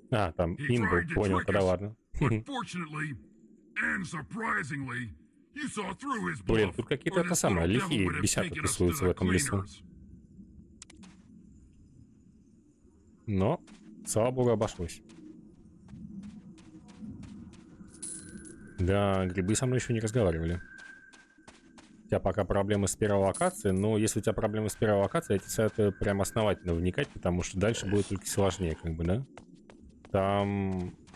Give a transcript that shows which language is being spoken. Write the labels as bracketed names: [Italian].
[Russian] А, там имп был, понял, тогда ладно. [English] But fortunately, and surprisingly, you saw through his bluff. [Russian] Блин, тут какие-то это самое, лихие бесята писаются в этом лесу. Но, слава богу, обошлось. Да, грибы со мной еще не разговаривали. У тебя пока проблемы с первой локацией, но если у тебя проблемы с первой локацией, я тебе советую прям основательно вникать, потому что дальше будет только сложнее, как бы, да? Там...